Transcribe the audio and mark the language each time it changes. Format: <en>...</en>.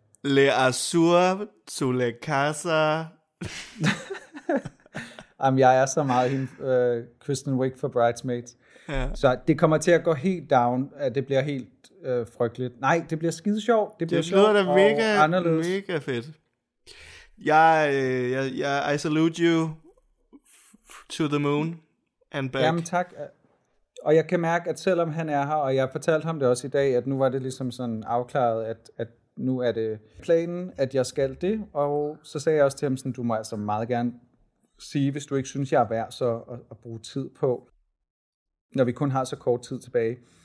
<da>Le azúcar su le casa. Jamen, jeg er så meget hende, Kristen Wiig for Bridesmaids. Ja. Så det kommer til at gå helt down, at det bliver helt frygteligt. Nej, det bliver skide sjovt. Det bliver sjovt. Det bliver sjov, da mega fedt.</da> <en>I salute you to the moon and back.</en> <da>Jamen, tak. Og jeg kan mærke, at selvom han er her, og jeg fortalte ham det også i dag, at nu var det ligesom sådan afklaret, at nu er det planen, at jeg skal det. Og så sagde jeg også til ham, sådan, du må altså meget gerne sige, hvis du ikke synes, jeg er værd så at bruge tid på, når vi kun har så kort tid tilbage.</da>